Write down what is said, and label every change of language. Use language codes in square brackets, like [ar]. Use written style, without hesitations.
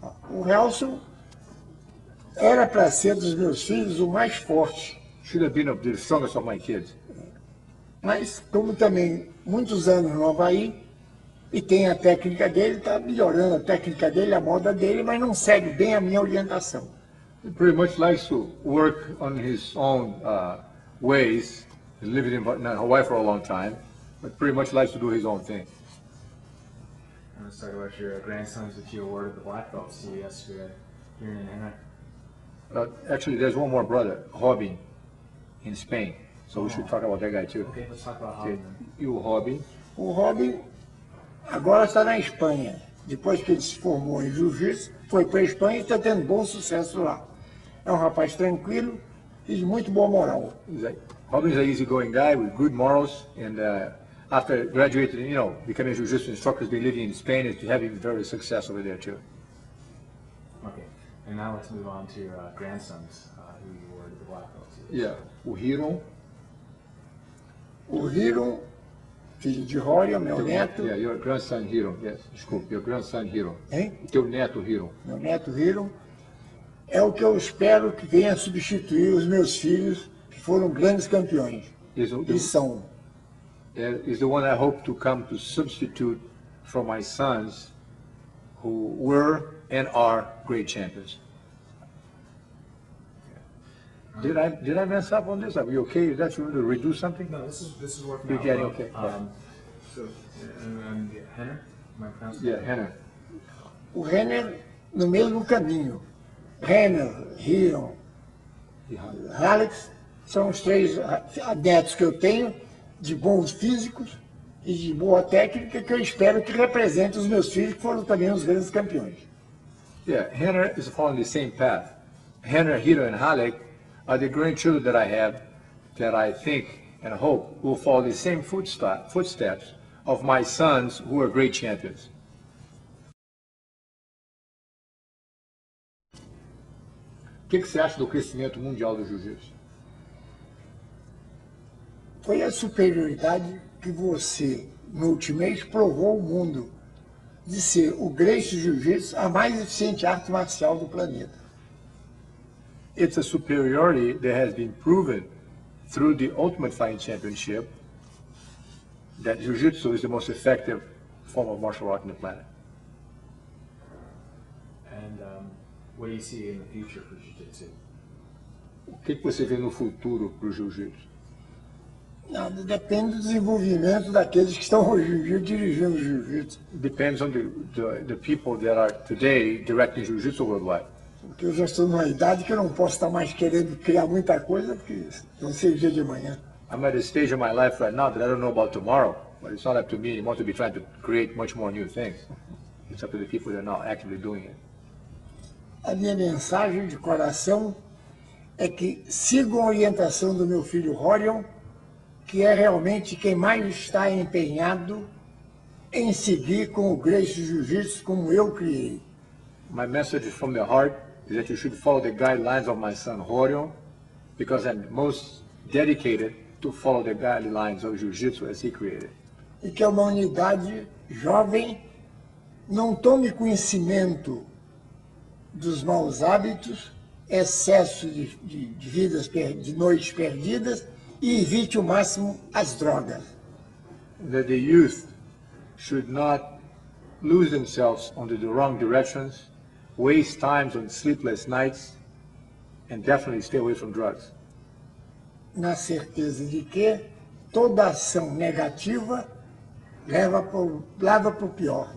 [pt] O Helson era para ser dos meus filhos o mais forte. [en] Should have been the strongest of my kids. [pt] Mas, como também muitos anos no Havaí, e tem a técnica dele, tá melhorando a técnica dele, a moda dele, mas não segue bem a minha orientação. [en] He pretty much likes to work on his own ways. He lived in Hawaii for a long time, but pretty much likes to do his own thing. Let's talk about your grandsons that you awarded the black belt to yesterday here in Anaheim. Actually, there's one more brother, Robin. in Spain. So we should talk about that guy too. Okay, let's talk about Robin. [pt] E o Robin? O Robin agora está na Espanha. Depois que ele se formou em jiu-jitsu, foi para a Espanha e está tendo bom sucesso lá. É um rapaz tranquilo e de muito boa moral. [en] Robin is an easygoing guy with good morals and after graduating, you know, becoming a jiu-jitsu instructor, he's been living in Spain and having very success over there too. Okay, and now let's move on to your grandsons who you awarded the black belt to. Yeah, Uhiro. [pt] Uhiro, filho de Rory, meu neto. [en] Yeah, your grandson Hiro, yes. [pt] Desculpe, [en] your grandson Hiro. [pt] Hein? Teu neto Hiro. Meu neto Hiro. É o que eu espero que venha substituir os meus filhos, que foram grandes campeões. E são. [en] Is the one I hope to come to substitute for my sons who were and are great champions. Did I mess up on this? Are you okay? Did you want to redo something? No, this is working out. You're getting okay. So, and Henner? Yeah, Henner. [pt] O Henner no mesmo caminho. Henner, Hiro, Alex são os três adeptos que eu tenho. De bons físicos e de boa técnica que eu espero que represente os meus filhos que foram também os grandes campeões. [en] Yeah, Henner is following the same path. Henner, Hiro and Halleck are the grandchildren that I have that I think and hope will follow the same footsteps of my sons who are great champions. [pt] O que você acha do crescimento mundial do jiu-jitsu? Foi a superioridade que você, no Ultimate, provou ao mundo de ser o Gracie Jiu-Jitsu, a mais eficiente arte marcial do planeta. [en] It's a superiority that has been proven through the Ultimate Fighting Championship that Jiu-Jitsu is the most effective form of martial art on the planet. And what do you see in the future for Jiu-Jitsu? [pt] O que você vê no futuro para o Jiu-Jitsu? Nada, depende do desenvolvimento daqueles que estão hoje em dia dirigindo o jiu-jitsu. [en] Depends on the people that are today directing jiu-jitsu worldwide. [pt] Porque eu já estou numa idade que eu não posso estar mais querendo criar muita coisa, porque não sei o dia de amanhã. [en] I'm at a stage of my life right now that I don't know about tomorrow, but it's not up to me anymore to be trying to create much more new things. It's up to the people that are now actively doing it. [pt] A minha mensagem de coração é que sigam a orientação do meu filho Rorion, que é realmente quem mais está empenhado em seguir com o Gracie Jiu-Jitsu como eu criei. [en] My message from the heart is that you should follow the guidelines of my son Rorion, because I'm most dedicated to follow the guidelines of Jiu-Jitsu as he created. [pt] E que a humanidade jovem não tome conhecimento dos maus hábitos, excesso de noites perdidas, e evite o máximo as drogas. [en] That the youth should not lose themselves under the wrong directions, waste times on sleepless nights, and definitely stay away from drugs. [pt] Na certeza de que toda ação negativa leva para o pior.